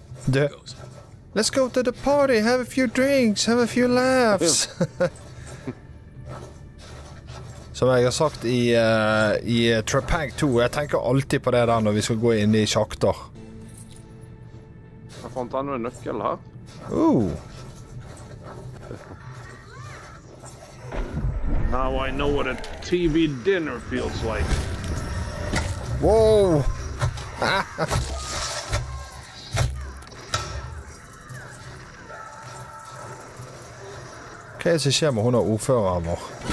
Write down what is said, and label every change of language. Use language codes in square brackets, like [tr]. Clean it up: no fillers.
[en] Du. Let's go to the party, have a few drinks, have a few laughs. [no] Som jeg har sagt i Trapag 2, jeg tenker alltid på det der når vi skal gå inn i sjakter. Jeg fant enda en nøkkel her. [en] Now I know what a TV dinner feels like. Wow! [no] Hva er det som skjer med hun og ordføreren vår?